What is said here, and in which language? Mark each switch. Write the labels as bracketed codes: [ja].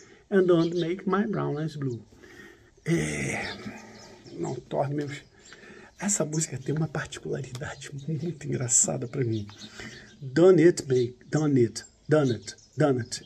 [en] And don't make my brown eyes blue. [pt] Não torne meus. Essa música tem uma particularidade muito engraçada para mim. Done it, make, done it, done it, done it.